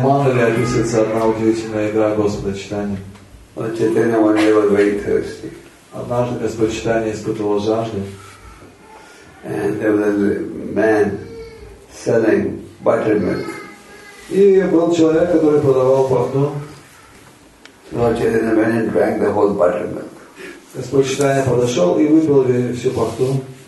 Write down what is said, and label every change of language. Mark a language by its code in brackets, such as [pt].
[ru] Мангали описывается одна удивительная игра Господа Читания. Однажды Господь Читания испытывал жажду. [en] And there was a man selling buttermilk. [ru] И был человек, который продавал пахту. [en] Lord Chaitanya went and drank the whole buttermilk. [ru] Господь Читания подошел и выпил всю пахту.